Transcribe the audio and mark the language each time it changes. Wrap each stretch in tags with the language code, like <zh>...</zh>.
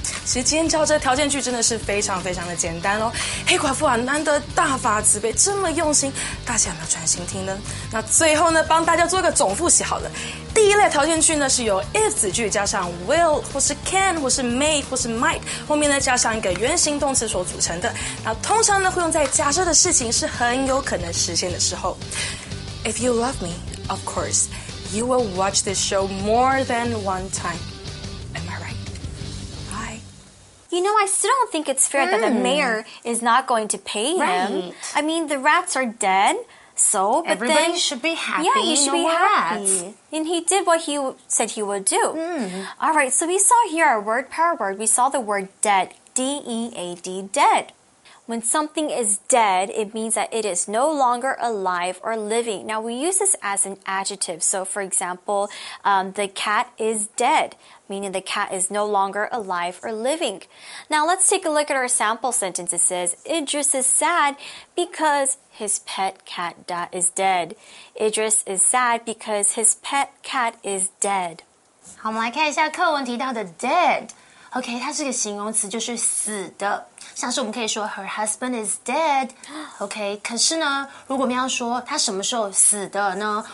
<zh>其实今天教这条件句真的是非常非常的简单哦。黑寡妇啊，难得大发慈悲，这么用心，大家有没有专心听呢？那最后呢，帮大家做个总复习好了。第一类条件句呢，是由 if 子句加上 will 或是 can 或是 may 或是 might 后面呢加上一个原形动词所组成的。那通常呢会用在假设的事情是很有可能实现的时候。</zh> <en>If you love me, of course, you will watch this show more than one time. You know, I still don't think it's fair that the mayor is not going to pay him. Right. I mean, the rats are dead, so... But Everybody then, should be happy. Yeah, you should be happy. Rats. And he did what he said he would do. All right, so we saw here our word, power word. We saw the word dead, D-E-A-D, dead. When something is dead, it means that it is no longer alive or living. Now, we use this as an adjective. So, for example, the cat is dead, meaning the cat is no longer alive or living. Now, let's take a look at our sample sentence. It says, Idris is sad because his pet cat is dead. Idris is sad because his pet cat is dead.</en> <zh>好，我们来看一下课文提到的 dead。 OK, 它是个形容词，就是死的。像是我们可以说 her husband is dead. OK, 可是呢，如果我们要说他什么时候死的呢？</zh>